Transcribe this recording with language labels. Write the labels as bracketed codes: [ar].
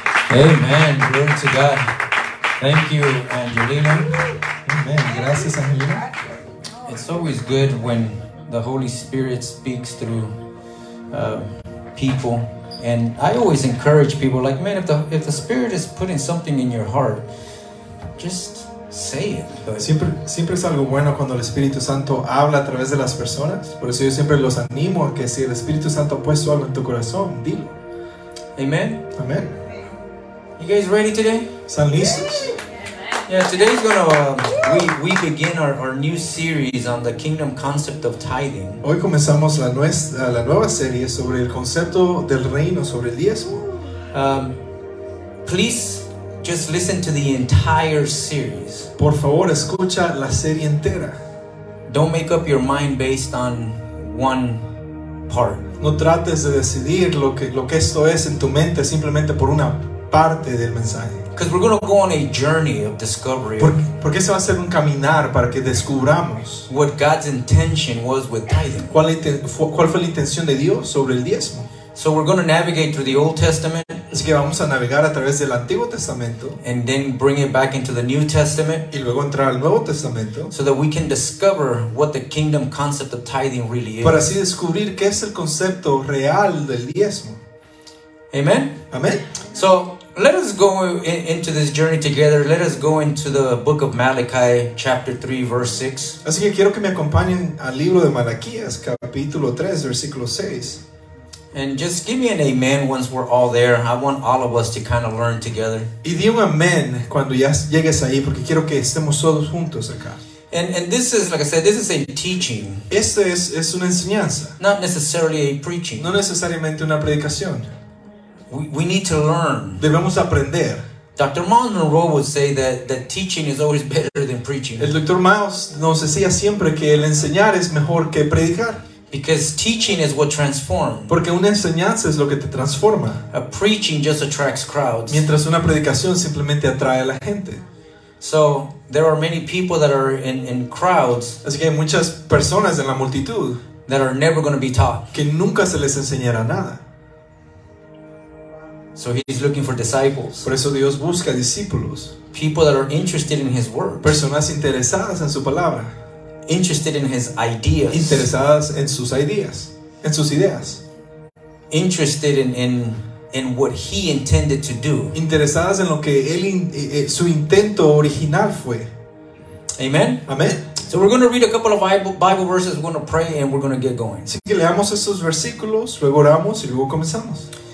[en] Amen. Glory to God. Thank you, Angelina. Amen. [es] Gracias, Angelina. [en] It's always good when the Holy Spirit speaks through people. And I always encourage people, like, man, if the Spirit is putting something in your heart, just say it. [es] Siempre es algo bueno cuando el Espíritu Santo habla a través de las personas. Por eso yo siempre los animo a que si el Espíritu Santo ha puesto algo en tu corazón, dilo. [en] Amen. Amen. You guys ready today? [es] ¿Están listos? [en] Yeah, today's gonna we begin our new series on the kingdom concept of tithing. [es] Hoy comenzamos la nueva serie sobre el concepto del reino, sobre el diezmo. [en] Please just listen to the entire series. [es] Por favor, escucha la serie entera. [en] Don't make up your mind based on one part. [es] No trates de decidir lo que esto es en tu mente simplemente por una parte del mensaje. [en] Because we're going to go on a journey of discovery. [es] Porque se va a hacer un caminar para que descubramos [en] what God's intention was with tithing. [es] ¿Cuál fue la intención de Dios sobre el diezmo? [en] So we're going to navigate through the Old Testament. [es] Así que vamos a navegar a través del Antiguo Testamento. [en] And then bring it back into the New Testament. [es] Y luego entrar al Nuevo Testamento. [en] So that we can discover what the kingdom concept of tithing really is. [es] Para así descubrir qué es el concepto real del diezmo. [en] Amen. Amen. So let us go into this journey together. Let us go into the book of Malachi, chapter 3, verse 6. [es] Así que quiero que me acompañen al libro de Malaquías, capítulo 3, versículo 6. [en] And just give me an amen once we're all there. I want all of us to kind of learn together. [es] Y di un amén cuando ya llegues ahí, porque quiero que estemos todos juntos acá. [en] And this is, like I said, this is a teaching. [es] Este es una enseñanza. [en] Not necessarily a preaching. [es] No necesariamente una predicación. [en] We need to learn. [es] Debemos aprender. [en] Dr. Miles Monroe would say that teaching is always better than preaching. [es] El Dr. Miles nos decía siempre que el enseñar es mejor que predicar. [en] Because teaching is what transforms. [es] Porque una enseñanza es lo que te transforma. [en] A preaching just attracts crowds. [es] Mientras una predicación simplemente atrae a la gente. [en] So there are many people that are in crowds. [es] Así que hay muchas personas en la multitud [en] that are never going to be taught. [es] Que nunca se les enseñará nada. [en] So he's looking for disciples. [es] Por eso Dios busca discípulos. [en] People that are interested in his word. [es] Personas interesadas en su palabra. [en] Interested in his ideas. [es] Interesadas en sus ideas. En sus ideas. [en] Interested in what he intended to do. [es] Interesadas en lo que él su intento original fue. [en] Amen. Amen. So we're going to read a couple of Bible verses. We're going to pray and we're going to get going. [es] Así que leamos estos versículos, luego oramos y luego comenzamos.